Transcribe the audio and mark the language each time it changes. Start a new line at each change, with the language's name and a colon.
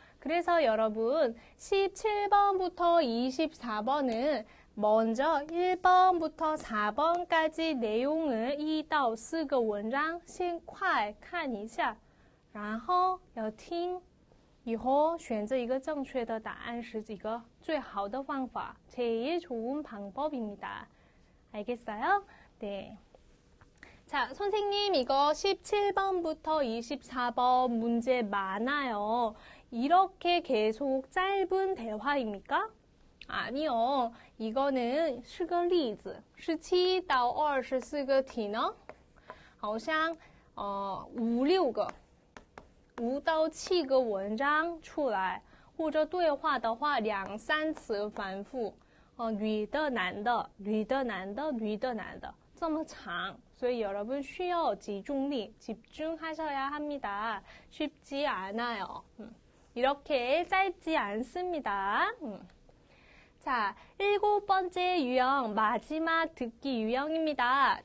Korean: 그래서여러분17번부터 24번은 먼저 1번부터 4번까지 내용을
Chinese: 1到4个文章先快看一下，然后要听，以后选择一个正确的答案是一个最好的方法，
Korean: 제일 좋은 방법입니다。알겠어요? 네. 자, 선생님, 이거 17번부터 24번 문제 많아요. 이렇게 계속 짧은 대화입니까? 아니요. 이거는
Chinese: 10个例子, 17到24个题呢? 好像, 5, 6个, 5到7个文章出来, 或者对话的话, 2、3次反复, 女的、男的、女的、男的、女的、男的, 这么长。所以
Korean: 여러분
Chinese: 需要
Korean: 집중力, 집중하셔야 합니다. 쉽지 않아요. 이렇게 짧지 않습니다. 자, 7번째 유형, 마지막 듣기 유형입니다.